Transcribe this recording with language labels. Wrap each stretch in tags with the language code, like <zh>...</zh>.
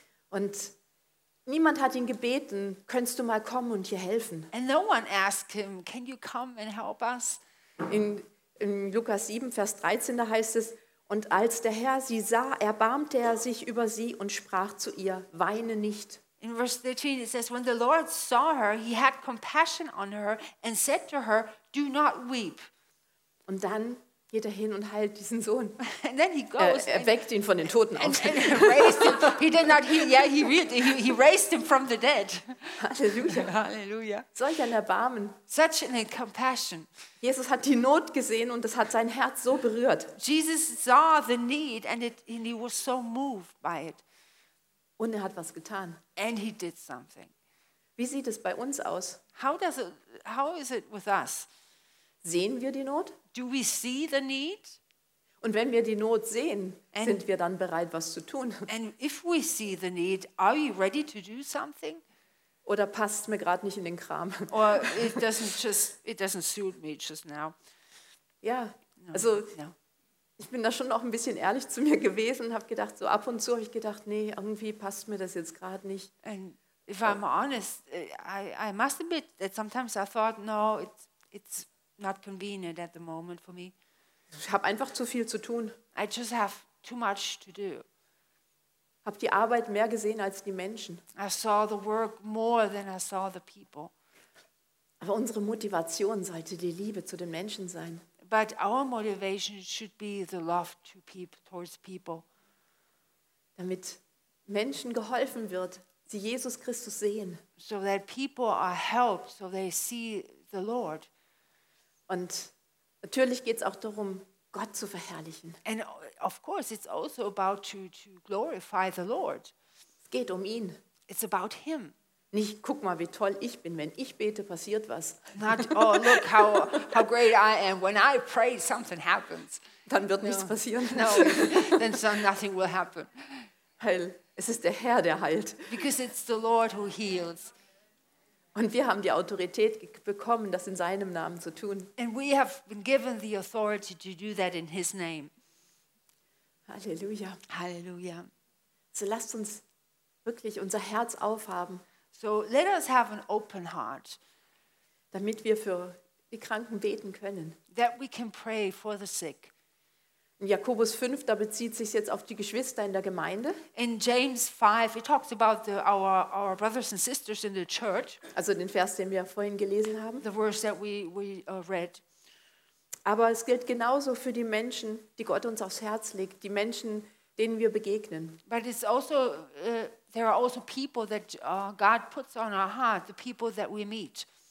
<de>Und niemand hat ihn gebeten, könntest du mal kommen und hier helfen?</de> <en>And no one asked him, can you come and help us?</en> <de>In Lukas 7, Vers 13, da heißt es, und als der Herr sie sah, erbarmte er sich über sie und sprach zu ihr, weine nicht.</de> <en>In verse 13 it says, when the Lord saw her, he had compassion on her and said to her, do not weep.</en> <de>Und dann geht er hin und heilt diesen Sohn.</de> <en>And then he goes.</en> <de>Er weckt ihn von den Toten auf.</de> <en>He raised him from the dead.</en> <de>Halleluja.</de> <en>Halleluja.</en> <de>Solch ein Erbarmen.</de> <en>Such a compassion.</en> <de>Jesus hat die Not gesehen und das hat sein Herz so berührt.</de> <en>Jesus saw the need and he was so moved by it.</en> <de>Und er hat was getan.</de> <en>And he did something.</en> <de>Wie sieht es bei uns aus?</de> <en>How is it with us?</en> <de>Sehen wir die Not?</de> <en>Do we see the need?</en> <de>Und wenn wir die Not sehen, sind wir dann bereit, was zu tun?</de> <en>And if we see the need, are you ready to do something?</en> <de>Oder passt mir gerade nicht in den Kram?</de> <en>Or it doesn't suit me just now.</en> <de>Ja, no, also no. Ich bin da schon noch ein bisschen ehrlich zu mir gewesen und habe gedacht, so ab und zu habe ich gedacht, nee, irgendwie passt mir das jetzt gerade nicht.</de> <en>And if I'm honest, I must admit that sometimes I thought, no, it's not convenient at the moment for me.</en> <de>Ich habe einfach zu viel zu tun.</de> <en>I just have too much to do.</en> <de>Habe die Arbeit mehr gesehen als die Menschen.</de> <en>I saw the work more than I saw the people.</en> <de>Aber unsere Motivation sollte die Liebe zu den Menschen sein.</de> <en>But our motivation should be the love to people, towards people.</en> <de>Damit Menschen geholfen wird, sie Jesus Christus sehen.</de> <en>So that people are helped, so they see the Lord.</en> <de>Und natürlich geht's auch darum, Gott zu verherrlichen.</de> <en>And of course it's also about to glorify the Lord.</en> <de>Es geht um ihn.</de> <en>It's about him.</en> <de>Nicht, guck mal, wie toll ich bin, wenn ich bete, passiert was.</de> <en>Not, oh, look how great I am. When I pray, something happens.</en> <de>Dann wird nichts passieren.</de> <en>No, then so nothing will happen.</en> <de>Heil. Es ist der Herr, der heilt.</de> <en>Because it's the Lord who heals.</en> <de>Und wir haben die Autorität bekommen, das in seinem Namen zu tun.</de> <en>And we have been given the authority to do that in his name.</en> <de>Halleluja.</de> <en>Halleluja.</en> <de>So lasst uns wirklich unser Herz aufhaben.</de> <en>So let us have an open heart.</en> <de>Damit wir für die Kranken beten können.</de> <en>That we can pray for the sick.</en> <de>In Jakobus 5, da bezieht sich jetzt auf die Geschwister in der Gemeinde.</de> <en>In James 5, it talks about our brothers and sisters in the church.</en> <de>Also den Vers, den wir vorhin gelesen haben.</de> <en>The verse that we read.</en> <de>Aber es gilt genauso für die Menschen, die Gott uns aufs Herz legt, die Menschen, denen wir begegnen.</de> <en>But it's also, there are also people that God puts on our heart, the people that we meet.</en>